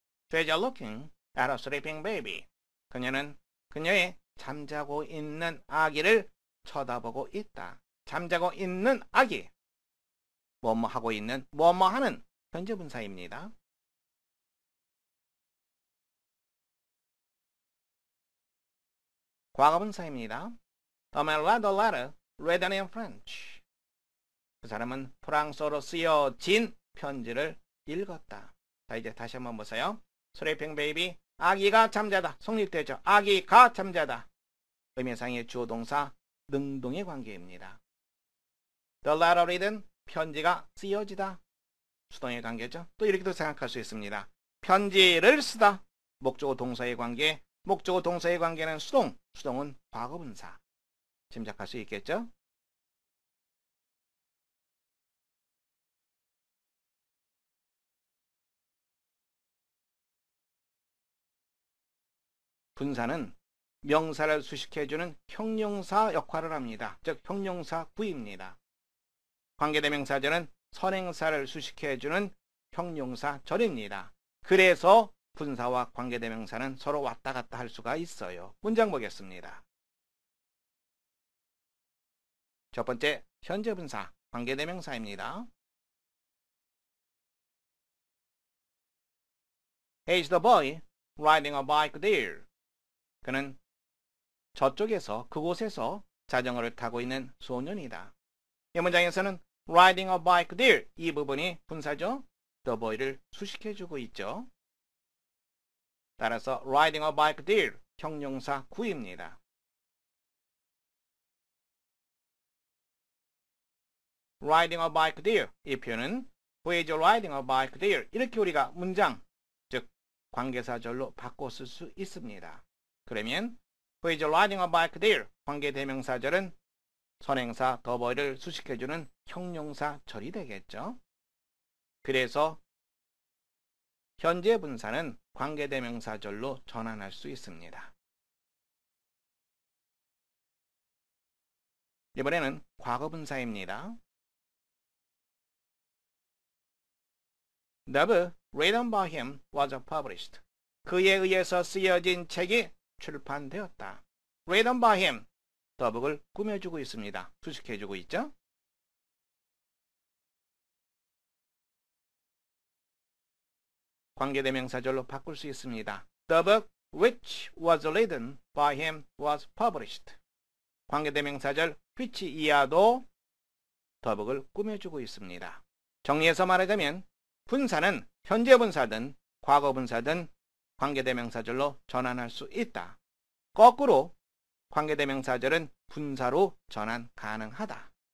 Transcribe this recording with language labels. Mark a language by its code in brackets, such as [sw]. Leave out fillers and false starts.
[en] She's looking at a sleeping baby. [ko] 그녀는 그녀의 잠자고 있는 아기를 쳐다보고 있다. 잠자고 있는 아기. 뭐뭐 하고 있는, 뭐뭐 하는 현재분사입니다. 과거분사입니다. [en] The man read the letter written in French. [ko] 그 사람은 프랑스어로 쓰여진 편지를 읽었다. 자, 이제 다시 한번 보세요. [en] Sleeping baby. [ko] 아기가 잠자다. 성립되죠. 아기가 잠자다. 의미상의 주어동사 능동의 관계입니다. [en] The letter written, [ko] 편지가 쓰여지다. 수동의 관계죠. 또 이렇게도 생각할 수 있습니다. 편지를 쓰다. 목적어 동사의 관계. 목적어 동사의 관계는 수동. 수동은 과거분사. 짐작할 수 있겠죠. 분사는 명사를 수식해주는 형용사 역할을 합니다. 즉, 형용사 구입니다. 관계대명사절은 선행사를 수식해주는 형용사 절입니다. 그래서 분사와 관계대명사는 서로 왔다 갔다 할 수가 있어요. 문장 보겠습니다. 첫 번째, 현재분사, 관계대명사입니다. [en] He's the boy riding a bike there. [ko] 그는 저쪽에서, 그곳에서 자전거를 타고 있는 소년이다. 이 문장에서는 [en] riding a bike there, [ko] 이 부분이 분사죠. The boy를 수식해주고 있죠. 따라서 [en] riding a bike there, [ko] 형용사 구입니다. [en] riding a bike there, [ko] 이 표현은 [en] who is riding a bike there, [ko] 이렇게 우리가 문장, 즉 관계사절로 바꿔 쓸 수 있습니다. 그러면 [en] who is riding a bike there? [ko] 관계대명사절은 선행사 the boy를 수식해주는 형용사절이 되겠죠. 그래서 현재분사는 관계대명사절로 전환할 수 있습니다. 이번에는 과거분사입니다. [en] The book written by him was published. [ko] 그에 의해서 쓰여진 책이 출판되었다. [en] Written by him. [ko] 더북을 꾸며주고 있습니다. 수식해주고 있죠. 관계대명사절로 바꿀 수 있습니다. [en] The book which was written by him was published. [ko] 관계대명사절 which 이하도 더북을 꾸며주고 있습니다. 정리해서 말하자면 분사는 현재분사든 과거분사든 관계대명사절로 전환할 수 있다. 거꾸로 관계대명사절은 분사로 전환 가능하다.